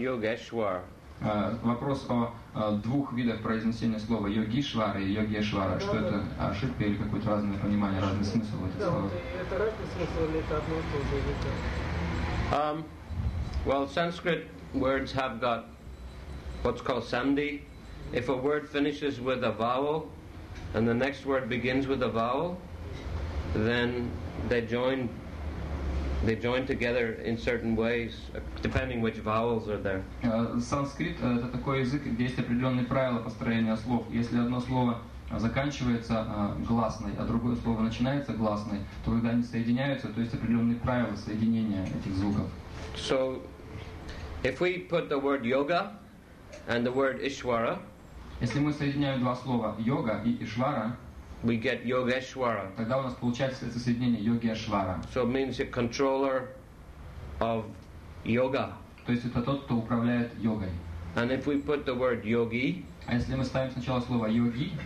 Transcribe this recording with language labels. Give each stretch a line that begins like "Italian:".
Russian: Йогешвар. Вопрос о двух видах произнесения слова Йогишвар и Йогешвар. Да, что да. Это ошибка или какое-то разное понимание, разный смысл этого да, слова? Да, вот, это разный смысл или это одно и то же?
English: Well, Sanskrit words have got what's called sandhi. If a word finishes with a vowel, and the next word begins with a vowel, then they join together in certain ways, depending which vowels are there.
Russian: Sanskrit это такой язык, где есть определенные правила построения слов. Если одно слово заканчивается гласной, а другое слово начинается гласной, то когда они соединяются, то есть определенные правила соединения этих звуков.
English: So, if we put the word yoga and the word Ishvara.
Russian: Если мы соединяем два слова йога и ишвара,
English: we get Yogeshwara.
Russian: Тогда у нас получается это соединение Йогешвара.
English: So it means a controller of yoga.
Russian: То есть это тот, кто управляет йогой.
English: And if we put the word yogi,
Russian: а если мы ставим сначала слово йоги,